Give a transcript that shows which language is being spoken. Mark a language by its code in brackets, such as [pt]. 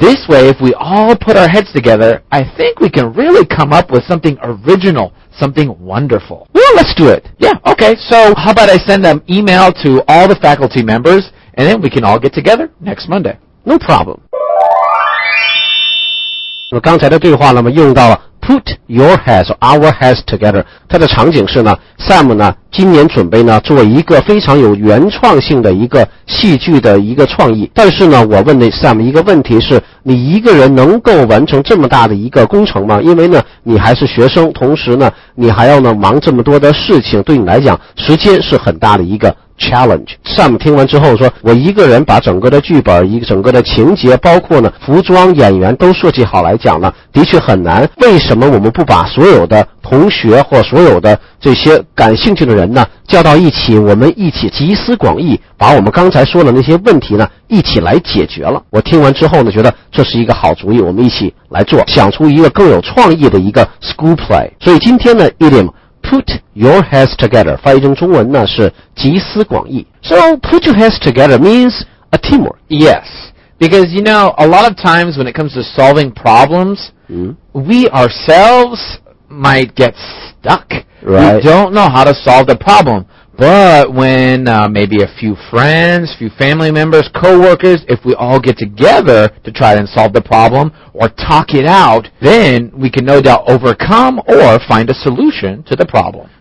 [en] This way, if we all put our heads together, I think we can really come up with something original, something wonderful. Well, let's do it. Yeah, okay. So how about I send an email to all the faculty members, and then we can all get together next Monday. No problem. [zh] 那么刚才的对话呢，用到了 [en] put your heads or our heads together。 [zh] 它的场景是呢 ，Sam 呢今年准备呢做一个非常有原创性的一个戏剧的一个创意。但是呢，我问的 Sam 一个问题是：你一个人能够完成这么大的一个工程吗？因为呢，你还是学生，同时呢，你还要呢忙这么多的事情，对你来讲，时间是很大的一个。 [en] Challenge. [zh] Sam 听完之后说，我一个人把整个的剧本，一个整个的情节，包括呢服装、演员都设计好来讲呢，的确很难。为什么我们不把所有的同学或所有的这些感兴趣的人呢叫到一起，我们一起集思广益，把我们刚才说的那些问题呢一起来解决了。我听完之后呢觉得这是一个好主意，我们一起来做，想出一个更有创意的一个 [en] school play。 [zh] 所以今天呢 idiom [en] put your heads together [zh] 翻译成中文呢是集思广益。 [en] So put your heads together means a teamwork. Yes, because you know, a lot of times when it comes to solving problems, we ourselves might get stuck. Right. We don't know how to solve the problem, But when maybe a few friends, few family members, coworkers, if we all get together to try and solve the problem or talk it out, then we can no doubt overcome or find a solution to the problem.